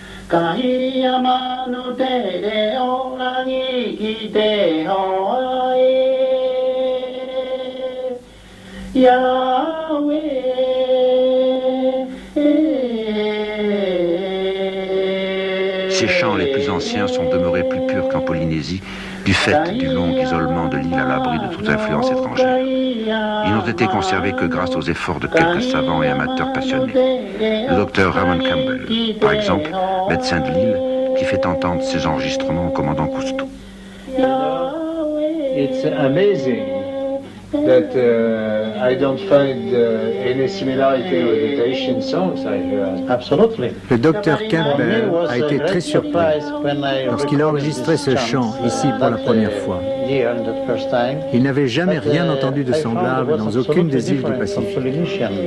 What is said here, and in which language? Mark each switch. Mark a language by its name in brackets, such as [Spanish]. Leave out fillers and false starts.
[French] Ces chants les plus anciens sont demeurés plus purs qu'en Polynésie du fait du long isolement de l'île à l'abri de toute influence étrangère. Ils n'ont été conservés que grâce aux efforts de quelques savants et amateurs passionnés. Le docteur Raymond Campbell, par exemple, médecin de l'île, qui fait entendre ses enregistrements au commandant Cousteau. [English] It's amazing that I don't find any similarity with the Tahitian songs I heard. Absolutely. [French] Le docteur Campbell a été très surpris lorsqu'il a enregistré ce chant ici pour la première fois. Il n'avait jamais rien entendu de semblable dans aucune des îles du Pacifique.